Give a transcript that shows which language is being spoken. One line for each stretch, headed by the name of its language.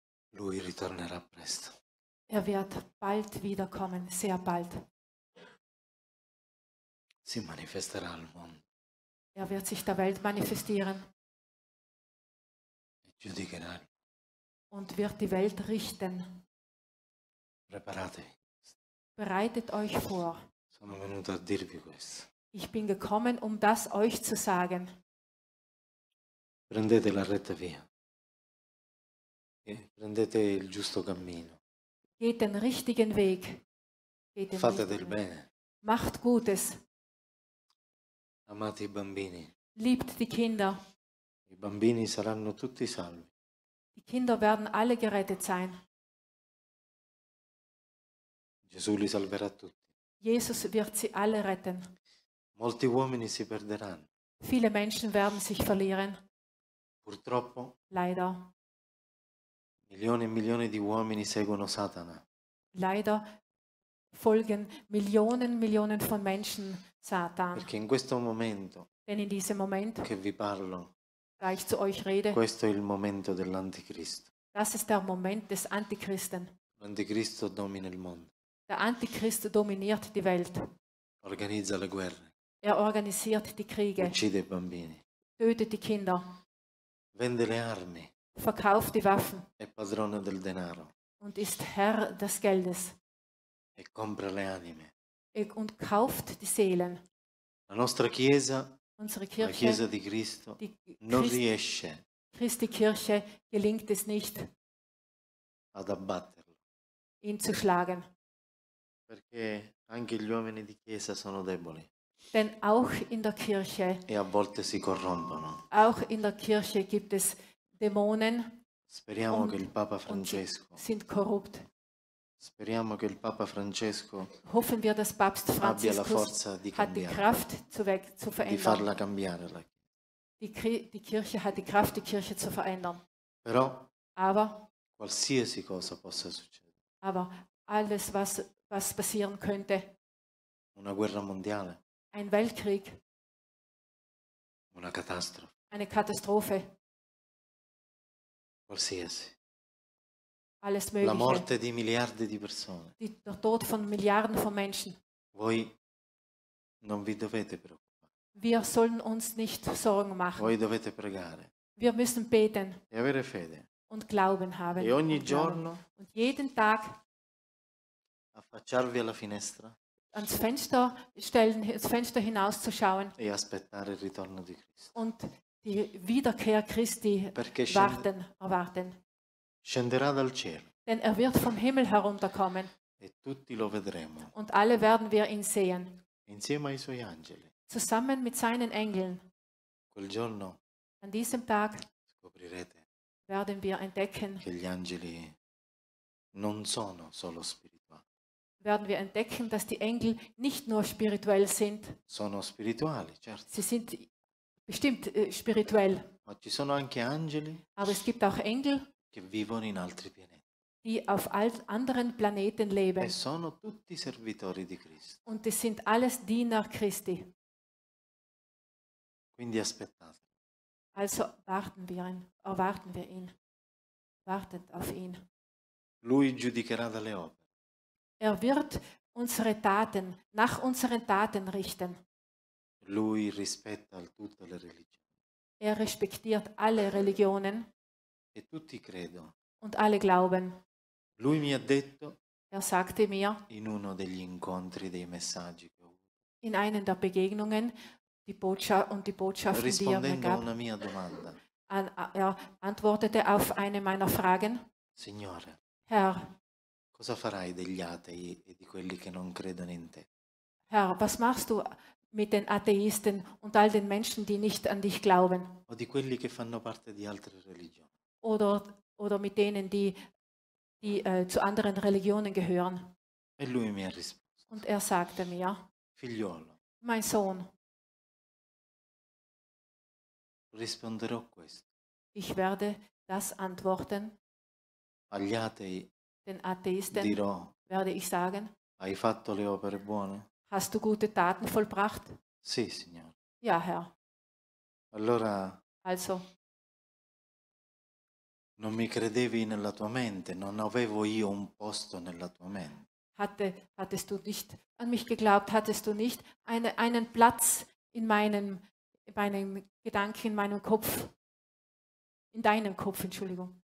Italian: Lui ritornerà presto.
German: wird bald wiederkommen, sehr bald.
Italian: Si manifesterà al mondo.
German: Wird sich der Welt manifestieren.
Italian: E giudicherà.
German: Und wird die Welt richten.
Italian: Preparate.
German: Bereitet euch vor.
Italian: Sono venuto a dirvi questo.
German: Ich bin gekommen, um das euch zu sagen.
Italian: Prendete la retta via. E prendete il giusto cammino.
German: Geht den richtigen Weg. Geht den
Italian: Fate
German: richtigen.
Italian: Del bene.
German: Macht Gutes.
Italian: Amate i bambini.
German: Liebt die Kinder.
Italian: I bambini saranno tutti salvi.
German: Die Kinder werden alle gerettet sein.
Italian: Gesù li salverà tutti.
German: Jesus wird sie alle retten.
Italian: Molti uomini si perderanno.
German: Viele Menschen werden sich verlieren.
Italian: Purtroppo.
German: Leider.
Italian: Milioni e milioni di uomini seguono Satana.
German: Leider folgen Millionen, Millionen von Menschen Satan.
Italian: Perché in questo momento.
German: Denn in diesem Moment.
Italian: Che vi parlo.
German: Da ich zu euch rede.
Italian: Questo è il momento dell'Anticristo.
German: Das ist der Moment des Antichristen.
Italian: L'Anticristo domina il mondo.
German: Der Antichrist dominiert die Welt.
Italian: Organizza le guerre.
German: Er organisiert die Kriege.
Italian: Uccide i bambini.
German: Tötet die Kinder.
Italian: Vende le armi.
German: Verkauft die Waffen.
Italian: È padrone del denaro.
German: Und ist Herr des Geldes.
Italian: E compra le anime.
German: Und kauft die Seelen.
Italian: La nostra Chiesa.
German: Unsere Kirche,
Italian: la Chiesa di Cristo, non riesce.
German: Christi Kirche gelingt es nicht,
Italian: ad abbatterlo.
German: Ihn zu schlagen.
Italian: Perché anche gli uomini di Chiesa sono deboli.
German: Denn auch in der Kirche.
Italian: E a volte si corrompono.
German: Auch in der Kirche gibt es Dämonen.
Italian: Speriamo che il Papa Francesco.
German: Sind korrupt.
Italian: Speriamo che il Papa Francesco
German: hoffen wir, dass Papst
Italian: abbia la forza di cambiare,
German: hat die Kraft zu verändern,
Italian: di farla cambiare.
German: Die Kirche hat die Kraft, die Kirche zu verändern.
Italian: Però,
German: aber,
Italian: qualsiasi cosa possa succedere,
German: aber alles, was passieren könnte,
Italian: una guerra mondiale,
German: ein Weltkrieg,
Italian: una catastrofe,
German: eine Katastrophe,
Italian: qualsiasi.
German: Alles mögliche.
Italian: La morte di miliardi di persone.
German: Der Tod von Milliarden von Menschen.
Italian: Voi non vi dovete preoccupare.
German: Wir sollen uns nicht Sorgen machen.
Italian: Voi dovete pregare.
German: Wir müssen beten.
Italian: E avere fede.
German: Und Glauben haben.
Italian: E ogni giorno.
German: Und jeden Tag.
Italian: Affacciarvi alla finestra.
German: Ans Fenster stellen, ins Fenster hinauszuschauen.
Italian: E aspettare il ritorno di Cristo.
German: Und die Wiederkehr Christi erwarten.
Italian: Scenderà dal cielo.
German: Denn wird vom Himmel herunterkommen.
Italian: E tutti lo vedremo.
German: Und alle werden wir ihn sehen.
Italian: Insieme ai suoi angeli.
German: Zusammen mit seinen Engeln.
Italian: Quel giorno.
German: An diesem Tag.
Italian: Scoprirete.
German: Werden wir entdecken.
Italian: Che gli angeli non sono solo spirituali.
German: Werden wir entdecken, dass die Engel nicht nur spirituell sind.
Italian: Sono spirituali, certo.
German: Sie sind bestimmt spirituell.
Italian: Ma ci sono anche angeli.
German: Aber es gibt auch Engel.
Italian: Che vivono in altri pianeti.
German: Die auf anderen Planeten leben.
Italian: E sono tutti servitori di Cristo.
German: Und es sind alles Diener Christi.
Italian: Quindi aspettate.
German: Also erwarten wir ihn. Wartet auf ihn.
Italian: Lui giudicherà dalle opere.
German: Er wird unsere Taten, nach unseren Taten richten.
Italian: Lui rispetta tutte le religioni.
German: Er respektiert alle Religionen.
Italian: E tutti credo.
German: Und alle glauben.
Italian: Lui mi ha detto.
German: Er sagte mir.
Italian: In uno degli incontri dei messaggi che ho avuto.
German: In einer der Begegnungen die Botschaft und die Botschaften, die er mir gab.
Italian: Rispondendo a una mia domanda.
German: Er antwortete auf eine meiner Fragen.
Italian: Signore.
German: Herr.
Italian: Cosa farai degli atei e di quelli che non credono in te?
German: Herr, was machst du mit den Atheisten und all den Menschen, die nicht an dich glauben?
Italian: O di quelli che fanno parte di altre religioni?
German: Oder mit denen, die zu anderen Religionen gehören.
Italian: E lui mi ha risposto.
German: Und er sagte mir,
Italian: Figliolo,
German: mein Sohn,
Italian: risponderò questo.
German: Ich werde das antworten.
Italian: Agli atei,
German: den Atheisten
Italian: dirò,
German: werde ich sagen,
Italian: hai fatto le opere buone?
German: Hast du gute Taten vollbracht?
Italian: Sì, Signore.
German: Ja, Herr.
Italian: Allora,
German: also,
Italian: Non mi credevi nella tua mente, non avevo io un posto nella tua mente.
German: Hattest du nicht an mich geglaubt, hattest du nicht einen Platz in meinem Gedanken, in meinem Kopf, in deinem Kopf, Entschuldigung.